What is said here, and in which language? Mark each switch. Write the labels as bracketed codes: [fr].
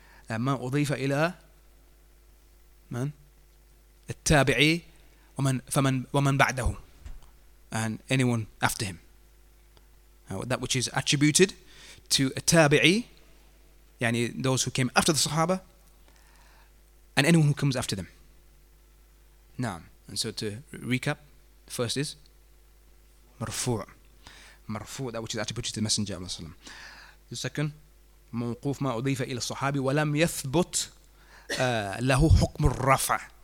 [ar] ما أضيف إلى من التابعي ومن فمن ومن بعده, [en] and anyone after him. That which is attributed to a tabi'i, يعني those who came after the Sahaba, and anyone who comes after them. [ar] نعم. [en] And so to recap, first is مرفوع, مرفوع, that which is attributed to the Messenger of Allah. The second, [ar] موقوف ما أضيف إلى الصحابي ولم يثبت له حكم الرفع.